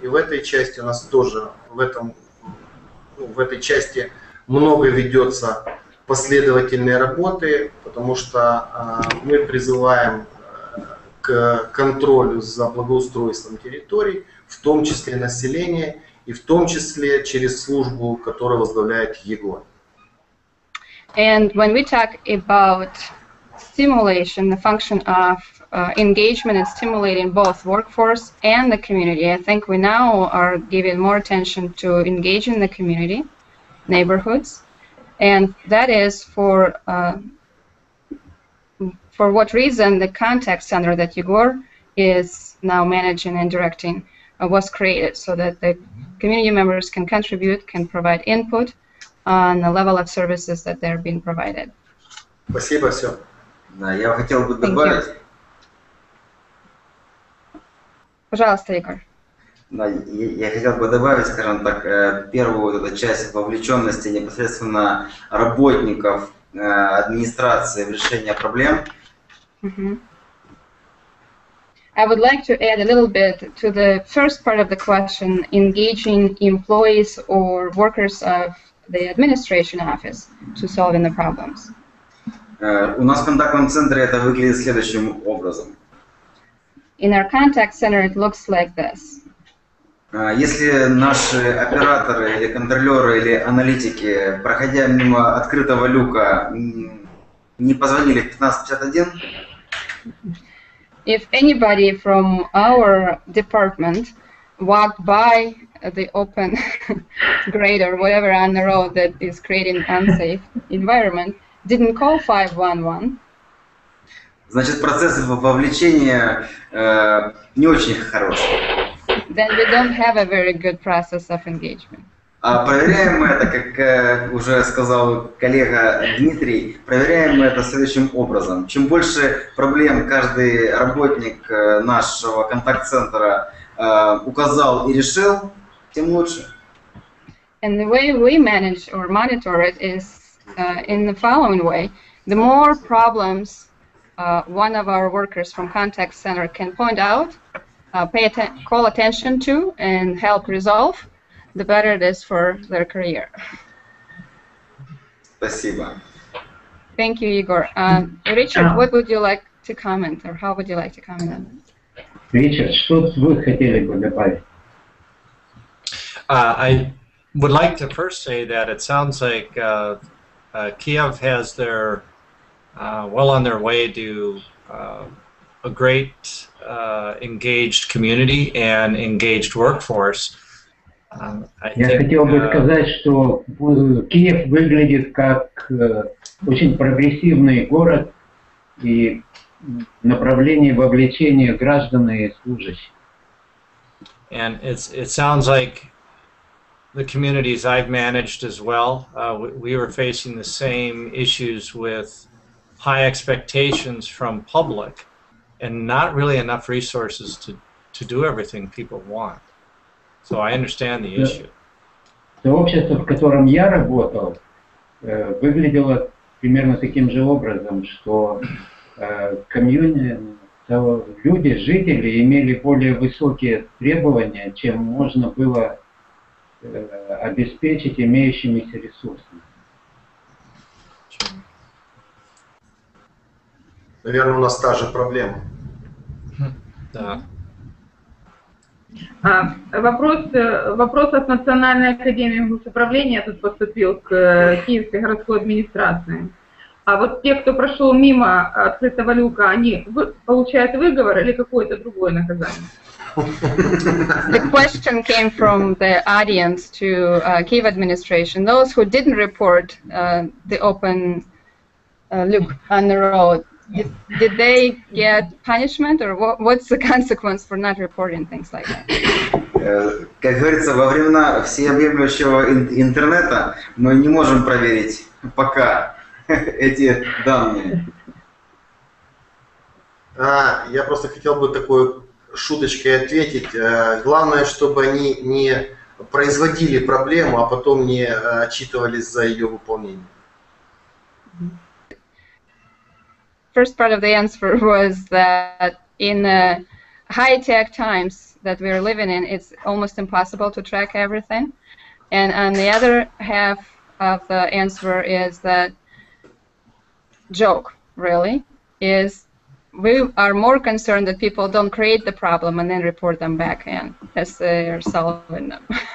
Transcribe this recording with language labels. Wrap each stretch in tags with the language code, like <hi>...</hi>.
<ru>И в этой части у нас тоже, в этой части много ведется последовательной работы, потому что мы призываем к контролю за благоустройством территорий, в том числе население, и в том числе через службу, которую возглавляет Егор.</ru> <en>And when we talk about stimulation, the function of engagement and stimulating both workforce and the community, I think we now are giving more attention to engaging the community, neighborhoods, and that is for what reason the contact center that Егор is now managing and directing was created so that the community members can contribute, can provide input on the level of services that they're being provided.</en> <ru>Спасибо, все. Да, я хотел бы добавить.</ru> <en>Thank you.</en> <ru>Пожалуйста,</ru> <en>Егор.</en> <ru>Да, я хотел бы добавить, скажем так, первую эту часть вовлеченности непосредственно работников администрации в решение проблем.</ru> <en>I would like to add a little bit to the first part of the question, engaging employees or workers of the administration office to solving the problems.</en> <ru>У нас в контактном центре это выглядит следующим образом.</ru> <en>In our contact center it looks like this.</en> <ru>Если наши операторы или контролеры или аналитики, проходя мимо открытого люка, не позвонили 1551,</ru> <en>if anybody from our department walked by the open grate or whatever on the road that is creating unsafe environment, didn't call 511.</en> <ru>Значит, процесс вовлечения не очень хороший.</ru> <en>Then we don't have a very good process of engagement.</en> <ru>Проверяем мы это, как уже сказал коллега Дмитрий, проверяем мы это следующим образом. Чем больше проблем каждый работник нашего контакт-центра указал и решил, тем лучше.</ru> <en>And the way we manage or monitor it is in the following way. The more problems one of our workers from contact center can point out, call attention to and help resolve, the better it is for their career.</en> <ru>Спасибо.</ru> <en>Thank you, Igor. Richard, what would you like to comment, or how would you like to comment on this?</en> <ru>Richard, что вы хотели бы добавить?</ru> <en>I would like to first say that it sounds like Kiev has their well on their way to a great engaged community and engaged workforce.</en> <ru>Я хотел бы сказать, что Киев выглядит как очень прогрессивный город и направление вовлечения граждан и служащих.</ru> <en>And it sounds like the communities I've managed as well, we were facing the same issues with high expectations from public and not really enough resources to do everything people want. So I understand the issue.</en> <ru>То общество, в котором я работал, выглядело примерно таким же образом, что комьюнити, люди, жители имели более высокие требования, чем можно было обеспечить имеющимися ресурсами. Наверное, у нас та же проблема. Да. Вопрос от Национальной академии госуправления тут поступил к Киевской городской администрации. А вот те, кто прошел мимо открытого люка, они получают выговор или какое-то другое наказание?</ru> <en>The question came from the audience to Kiev administration. Those who didn't report the open loop on the road, did they get punishment or what's the consequence for not reporting things like that?</en> <ru>Как говорится, во времена всеобъемлющего интернета мы не можем проверить пока эти данные. Я просто хотел бы такую шуточкой ответить. Главное, чтобы они не производили проблему, а потом не отчитывались за ее выполнение.</ru> <en>First part of the answer was that in high-tech times that we are living in, it's almost impossible to track everything. And on the other half of the answer is that joke, really, is we are more concerned that people don't create the problem and then report them back in as they are solving them.</en>